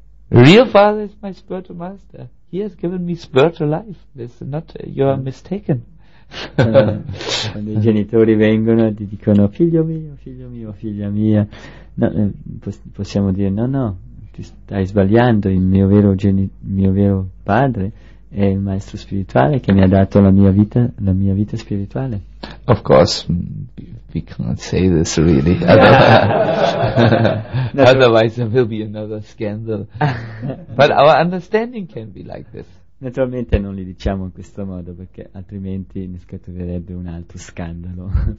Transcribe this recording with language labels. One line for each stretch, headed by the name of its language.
English: Real father is my spiritual master. He has given me spiritual life. This is not you are mistaken.
Italian: Quando i genitori vengono e ti dicono figlio mio, figlia mia, no, possiamo dire no, ti stai sbagliando, il mio vero padre è il maestro spirituale che mi ha dato la mia vita spirituale.
English: Of course, we can't say this really. Otherwise, there will be another scandal. But our understanding can be like this.
Italian: Naturalmente non li diciamo in questo modo perché altrimenti ne scaturirebbe un altro scandalo.